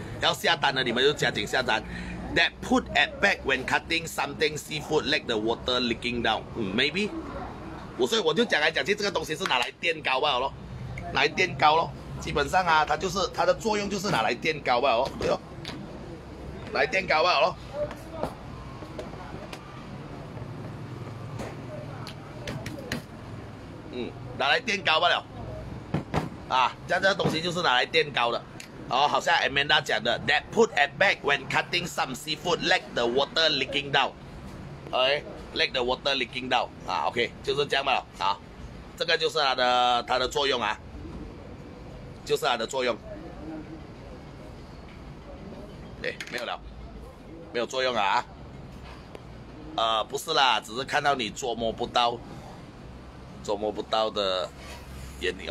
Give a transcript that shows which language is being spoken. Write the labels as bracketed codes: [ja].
[zh] 要下单了你们就加紧下单。 [en] That put at back when cutting something seafood let the water leaking down、maybe， [zh] 所以我就讲来讲去，这个东西是拿来垫高罢了咯，拿来垫高咯，基本上啊，它就是它的作用就是拿来垫高吧，哦，对哦，来垫高吧，哦。拿来垫高吧了。啊，像这个东西就是拿来垫高的。哦，好像 Amanda 讲的 [en] ，that put at back when cutting some seafood, let the water leaking down. Okay, let the water leaking down. 啊 ，OK， [zh] 就是这样嘛。好，这个就是它的作用啊，就是它的作用。哎，没有了，没有作用啊。不是啦，只是看到你捉摸不到，捉摸不到的眼睛。